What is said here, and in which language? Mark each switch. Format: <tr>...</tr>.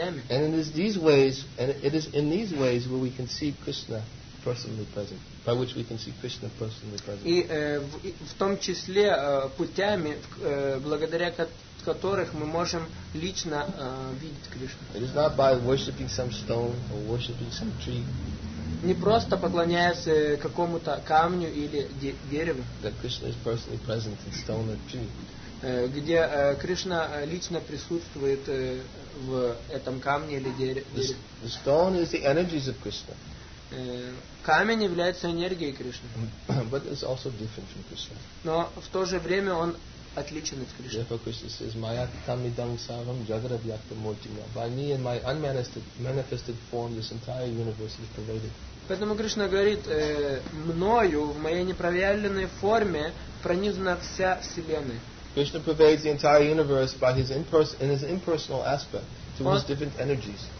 <en>And it is in these ways where we can see Krishna personally present, by which we can see Krishna personally present.</en> <ru>И в том числе путями, благодаря которых мы можем лично видеть Кришну.</ru> <en>It is not by worshipping some stone or worshipping some tree.</en> <ru>Не просто поклоняясь какому-то камню или дереву.</ru> <en>That Krishna is personally present in stone or tree.</en> <ru>Где Кришна лично присутствует в этом камне или дереве.</ru> <en>The stone is the energies of Krishna.</en> <ru>Камень является энергией Кришны.</ru> <en>But it's also different from Krishna.</en> <ru>Но в то же время он отличен от Кришны.</ru> <en>Therefore Krishna says,</en> <sa>Maya tamidam savam jagadavyakta mortima.</sa> <en>By me and my unmanifested form this entire universe is pervaded.</en> <ru>Поэтому Кришна говорит, мною, в моей непроявленной форме, пронизана вся Вселенная.</ru> <en>Krishna pervades the entire universe by his impersonal aspect through his different energies.</en>